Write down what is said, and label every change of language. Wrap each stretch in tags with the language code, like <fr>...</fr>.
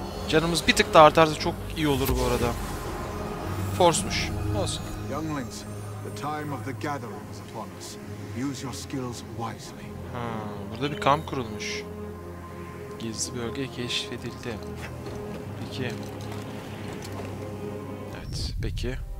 <tr>Canımız bir tık daha artarsa çok iyi olur bu arada. Force'muş. Olsun.</tr> <en>Younglings, the time of the gathering is upon us. Use your skills wisely.</en> <tr>Burada bir kamp kurulmuş. Gizli bölge keşfedildi. Peki. Evet, peki.</tr>